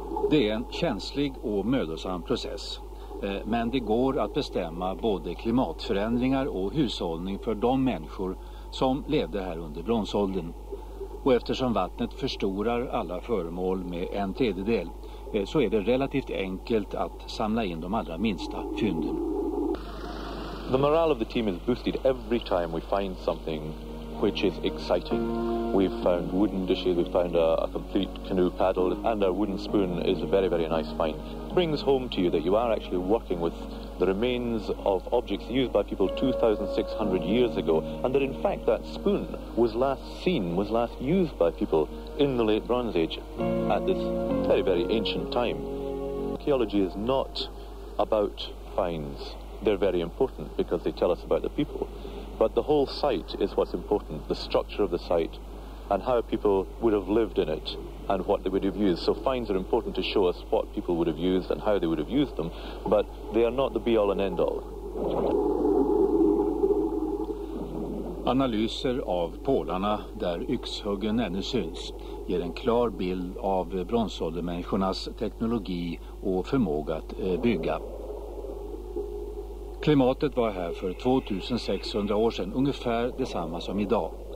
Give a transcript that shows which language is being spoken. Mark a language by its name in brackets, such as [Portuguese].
[Swedish] Det är en känslig och mödosam process. Men det går att bestämma både klimatförändringar och hushållning för de människor som levde här under bronsåldern. Och eftersom vattnet förstorar alla föremål med en tredjedel så är det relativt enkelt att samla in de allra minsta fynden. [English] The morale of the team is boosted every time we find something which is exciting. We've found wooden dishes, we've found a complete canoe paddle, and our wooden spoon is a very, very nice find. It brings home to you that you are actually working with the remains of objects used by people 2,600 years ago, and that in fact that spoon was last seen, was last used by people in the late Bronze Age at this very, very ancient time. Archaeology is not about finds. They're very important because they tell us about the people. But the whole site is what's important, the structure of the site, and how people would have lived in it and what they would have used. So finds are important to show us what people would have used and how they would have used them, but they are not the be-all and end-all. [Swedish] Analyser av pålarna där yxhuggen ännu syns ger en klar bild av bronsåldermänniskornas teknologi och förmåga att bygga. Klimatet var här för 2600 år sedan ungefär detsamma som idag.